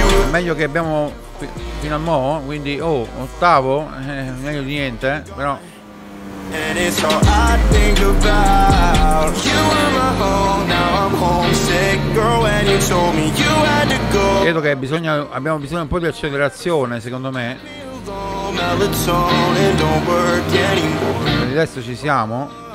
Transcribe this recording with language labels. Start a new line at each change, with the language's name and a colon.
Italian: Meglio che abbiamo fino a mo, quindi, oh, ottavo, meglio di niente, però...
English: And it's all I think about. You were my home, now I'm homesick. Girl, when you told me you had to go.
Italian: Credo che bisogna, abbiamo bisogno un po' di accelerazione, secondo me. Adesso ci siamo.